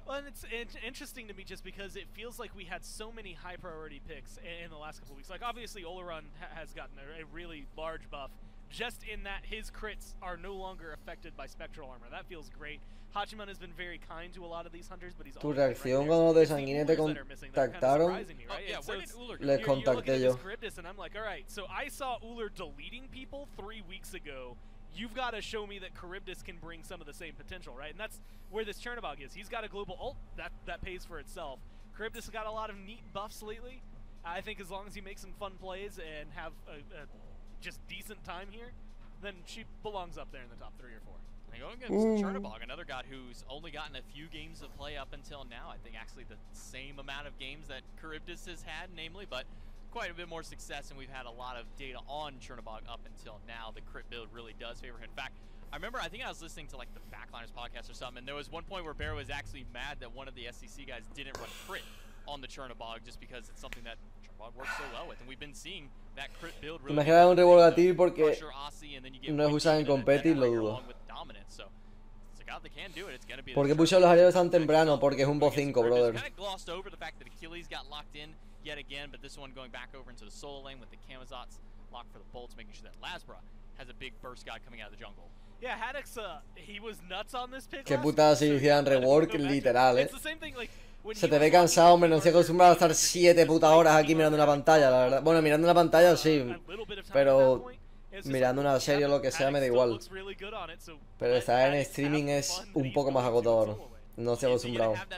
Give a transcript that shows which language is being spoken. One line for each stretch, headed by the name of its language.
English: Well, and it's interesting to me just because it feels like we had so many high-priority picks in the last couple of weeks. Like, obviously, Olerun has gotten a really large buff just in that his crits are no longer affected by Spectral Armor. That feels great. Hachiman has been very kind to a lot of these hunters, but he's
Spanish: tu reacción cuando te sanguinete contactaron, les contacté yo.
English: And I'm like, all right, so I saw Uller deleting people 3 weeks ago. You've got to show me that Charybdis can bring some of the same potential, right? And that's where this Chernobog is. He's got a global ult that pays for itself. Charybdis has got a lot of neat buffs lately. I think as long as you make some fun plays and have a just decent time here, then she belongs up there in the top 3 or 4. And going against Chernobog, another god who's only gotten a few games of play up until now. I think actually the same amount of games that Charybdis has had, namely, but quite a bit more success, and we've had a lot of data on Chernobog up until now. The crit build really does favor him. In fact, I remember, I think I was listening to like the Backliners podcast or something, and there was one point where Bear was actually mad that one of the SCC guys didn't run crit on the Chernobog just because it's something that Chernobog works so well with, and we've been seeing that crit build really favor him.
Spanish: No usan en competir, lo dudo.
English: So, God, they can do it. It's gonna be
Spanish: porque puso los aliados tan temprano porque es un boss 5, brother.
English: Kind of glossed over the fact that Achilles got locked in yet again, but this one going back over into the solo lane with the Kamazots locked for the Bolts, making sure that Lazbra has a big burst god coming out of the jungle. Yeah, Haddix, he was nuts on this pick.
Spanish: Qué putada si hicieran rework, literal,
English: It's the same thing, like, when
Spanish: se te ve cansado, hombre, no estoy acostumbrado a estar 7 puta horas aquí mirando una pantalla, la verdad. Bueno, mirando una pantalla, sí, pero mirando una serie o lo que sea me da igual. Pero estar en streaming es un poco más agotador. No estoy acostumbrado.